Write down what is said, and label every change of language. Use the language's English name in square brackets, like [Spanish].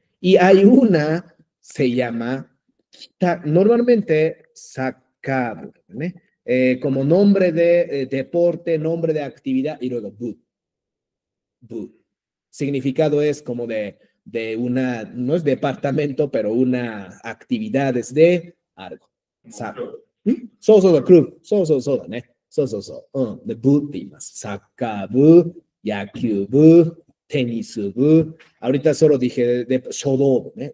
[Spanish] Y hay una, se llama, normalmente, saka, ¿no? Como nombre de deporte, nombre de actividad, y luego bu. Bu. Significado es como de una, no es departamento, pero una actividad es de algo. Saka. [Japanese] そうそうそう、クルー。そうそうそうだね。そうそうそう。で、部って言います。サッカー部、野球部、テニス部。 [Spanish] ahorita solo dije de [Japanese] 書道部ね。